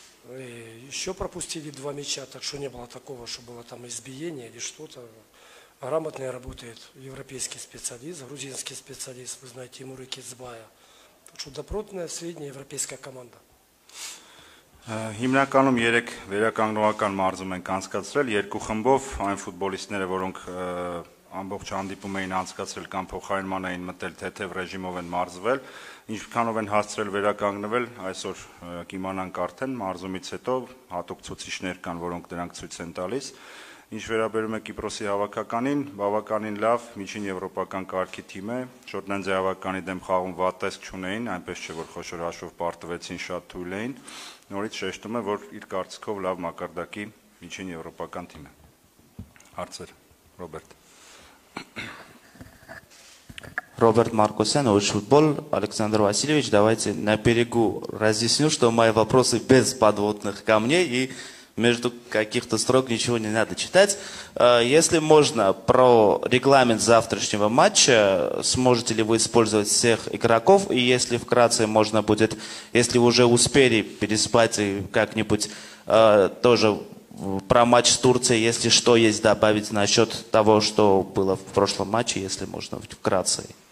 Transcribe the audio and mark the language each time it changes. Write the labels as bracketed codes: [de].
[ru] И еще пропустили два мяча, так что не было такого, что было там избиение или что-то. Грамотно работает европейский специалист, грузинский специалист, вы знаете, Тимура Кизбая. Так что добротная средняя европейская команда. [hy] Հիմնականում երեք վերականգնողական մարզում ենք անցկացրել, երկու խմբով այն ֆուտբոլիստները, որոնք ամբողջ հանդիպում էին անցկացրել կամ փոխարինման էին մտել, թեթև ռեժիմով են մարզվել, ինչքանով են հասցրել վերականգնվել, այսօր կիմանանք արդեն, մարզումից հետո հատուկ ցուցիչներ կան, որոնք դրանք ցույց են տալիս։ Ինչ վերաբերում է Կիպրոսի հավաքականին, բավականին լավ միջին եվրոպական կարգի թիմ է, Ջորդանիայի հավաքականի դեմ խաղում վատ տեսք չունեին, այնպես չէ, որ խոշոր հաշվով պարտվեցին, շատ թույլ էին, նորից շեշտում է, որ իր կարծիքով լավ մակարդակի միջին եվրոպական թիմ է։ Հարցեր, Ռոբերտ։ [ru] Роберт Маркусян, Ойш футбол, Александр Васильевич, давайте на берегу разъясню, что мои вопросы без подводных камней и между каких-то строк ничего не надо читать. Если можно, про регламент завтрашнего матча, сможете ли вы использовать всех игроков, и если вкратце можно будет, если уже успели переспать и как-нибудь тоже про матч с Турцией, если что есть добавить насчет того, что было в прошлом матче, если можно вкратце.